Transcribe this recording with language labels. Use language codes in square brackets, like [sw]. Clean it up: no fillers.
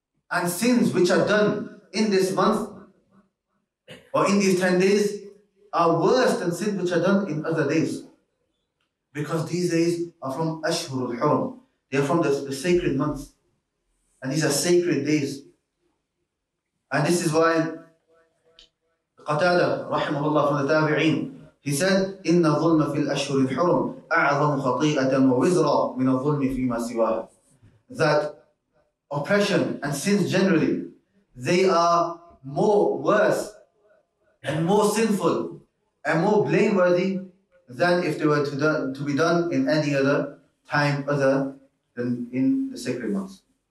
[en] And sins which are done in this month or in these 10 days are worse than sins which are done in other days. Because these days are from Ashhur al-Hurum. They are from the sacred months. And these are sacred days. And this is why Qatada, rahimahullah, from the Tabi'een, he said, [ar] إِنَّ الظُّلْمَ فِي الْأَشْهُرِ الْحُرُمِ أَعْظَمُ خَطِيئَةً وَوِزْرًا مِنَ الظُّلْمِ فِي مَا سِوَاهَا. [en] That oppression and sins generally, they are more worse and more sinful and more blameworthy than if they were to be done in any other time other than in the sacred months.